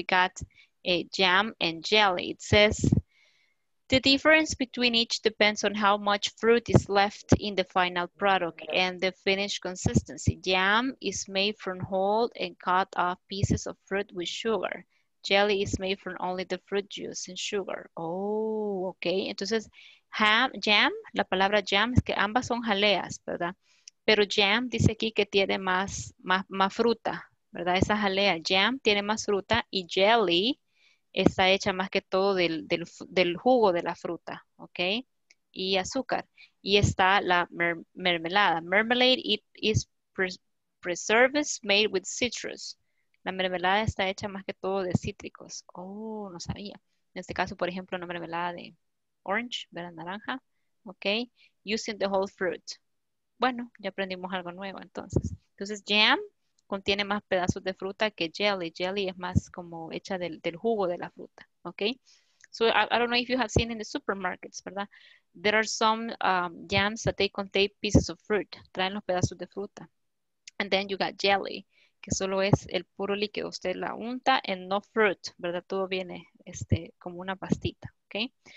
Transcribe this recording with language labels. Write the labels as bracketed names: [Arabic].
[English] We got a jam and jelly. It says the difference between each depends on how much fruit is left in the final product and the finished consistency. Jam is made from whole and cut off pieces of fruit with sugar. Jelly is made from only the fruit juice and sugar. Oh, okay. [Spanish] Entonces, jam, la palabra jam, es que ambas son jaleas, ¿verdad? Pero jam dice aquí que tiene más fruta, ¿verdad? Esa jalea, jam, tiene más fruta y jelly está hecha más que todo del jugo de la fruta, ¿ok? Y azúcar. Y está la mermelada. [English] Mermelade, it is preserves made with citrus. [Spanish] La mermelada está hecha más que todo de cítricos. Oh, no sabía. En este caso, por ejemplo, una mermelada de orange, de la naranja, ¿ok? [English] Using the whole fruit. [Spanish] Bueno, ya aprendimos algo nuevo entonces. Entonces, jam contiene más pedazos de fruta que jelly. Jelly es más como hecha del jugo de la fruta, okay? [English] So I don't know if you have seen in the supermarkets, [Spanish] ¿verdad? [English] There are some jams that they contain pieces of fruit. [Spanish] Traen los pedazos de fruta. [English] And then you got jelly, [Spanish] que solo es el puro líquido. Usted la unta [English] and no fruit, [Spanish] ¿verdad? Todo viene como una pastita, okay?